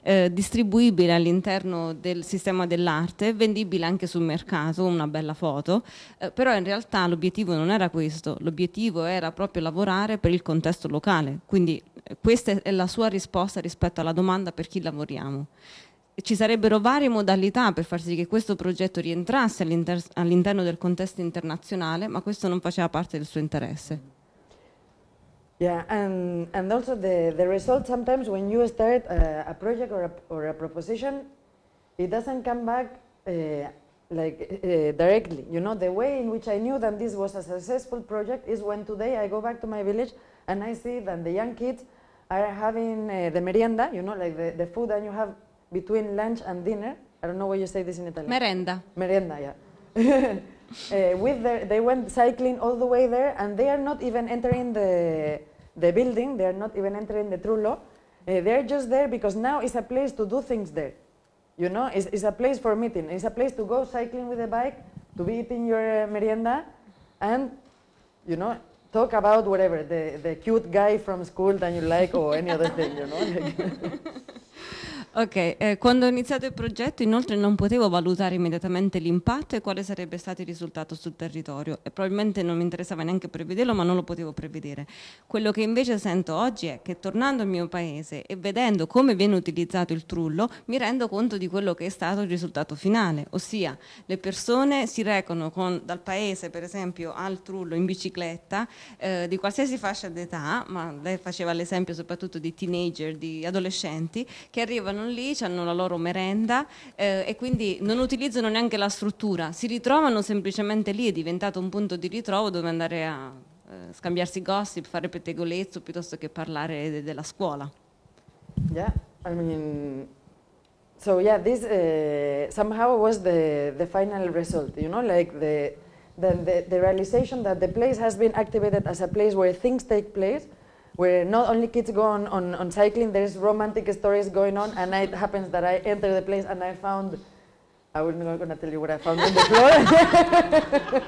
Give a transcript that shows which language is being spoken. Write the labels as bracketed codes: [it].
[it] distribuibile all'interno del sistema dell'arte, vendibile anche sul mercato, una bella foto, però in realtà l'obiettivo non era questo, l'obiettivo era proprio lavorare per il contesto locale, quindi questa è la sua risposta rispetto alla domanda per chi lavoriamo. Ci sarebbero varie modalità per far sì che questo progetto rientrasse all'interno del contesto internazionale, ma questo non faceva parte del suo interesse. [en] Yeah, and also the result sometimes when you start a project or a proposition, it doesn't come back directly. You know, the way in which I knew that this was a successful project is when today I go back to my village and I see that the young kids are having the merienda, you know, like the food that you have between lunch and dinner, I don't know what you say this in Italian. [it] Merenda. [en] Merenda, yeah. they went cycling all the way there, and they are not even entering the building, they are not even entering the Trullo. They are just there because now it's a place to do things there. You know, it's a place for meeting. It's a place to go cycling with a bike, to be eating your merienda, and, you know, talk about whatever, the cute guy from school that you like or any other thing, you know? [it] Ok, quando ho iniziato il progetto inoltre non potevo valutare immediatamente l'impatto e quale sarebbe stato il risultato sul territorio e probabilmente non mi interessava neanche prevederlo, ma non lo potevo prevedere. Quello che invece sento oggi è che tornando al mio paese e vedendo come viene utilizzato il Trullo mi rendo conto di quello che è stato il risultato finale, ossia le persone si recano dal paese per esempio al Trullo in bicicletta di qualsiasi fascia d'età, ma lei faceva l'esempio soprattutto di teenager, di adolescenti che arrivano lì, hanno la loro merenda e quindi non utilizzano neanche la struttura, si ritrovano semplicemente lì, è diventato un punto di ritrovo dove andare a scambiarsi gossip, fare pettegolezzo piuttosto che parlare della scuola. [en] Yeah, I mean, So yeah, this somehow was the final result, you know, like the realization that the place has been activated as a place where things take place, where not only kids go on cycling, there's romantic stories going on, and it happens that I enter the place and I found, I was not gonna tell you what I found on the floor.